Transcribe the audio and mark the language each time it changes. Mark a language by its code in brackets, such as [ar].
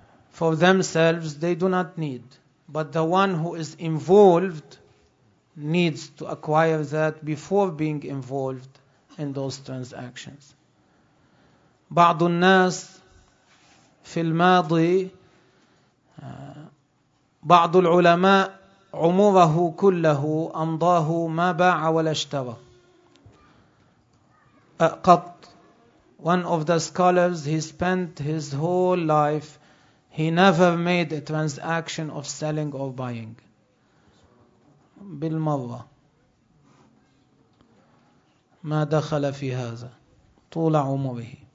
[en] For themselves, they do not need. But the one who is involved needs to acquire that before being involved in those transactions. [ar] بعض الناس في الماضي بعض العلماء عمره كله أمضاه ما باع ولا اشترى. [en] One of the scholars, he spent his whole life, he never made a transaction of selling or buying. [ar] بالمرة ما دخل في هذا طول عمره.